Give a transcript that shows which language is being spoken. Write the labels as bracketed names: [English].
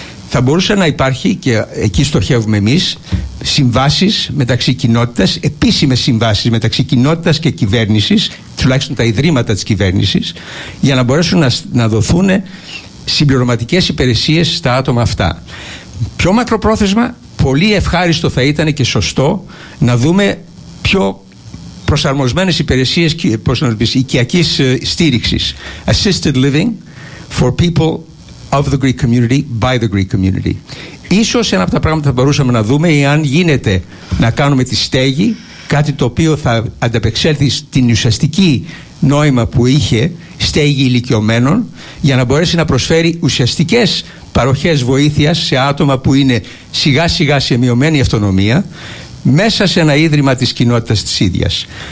[Greek] Θα μπορούσε να υπάρχει, και εκεί στοχεύουμε εμείς, συμβάσεις μεταξύ κοινότητας, επίσημες συμβάσεις μεταξύ κοινότητας και κυβέρνησης, τουλάχιστον τα ιδρύματα της κυβέρνησης, για να μπορέσουν να δοθούν συμπληρωματικές υπηρεσίες στα άτομα αυτά. Πιο μακροπρόθεσμα, πολύ ευχάριστο θα ήταν και σωστό να δούμε πιο προσαρμοσμένες υπηρεσίες, πώς να το πεις, οικιακής στήριξης. [English] Assisted living for people of the Greek community, by the Greek community. [Greek] Ίσως ένα από τα πράγματα θα μπορούσαμε να δούμε, εάν γίνεται να κάνουμε τη στέγη, κάτι το οποίο θα ανταπεξέλθει στην ουσιαστική νόημα που είχε στέγη ηλικιωμένων, για να μπορέσει να προσφέρει ουσιαστικές παροχές βοήθειας σε άτομα που είναι σιγά σιγά σε μειωμένη αυτονομία μέσα σε ένα ίδρυμα της κοινότητας της ίδιας.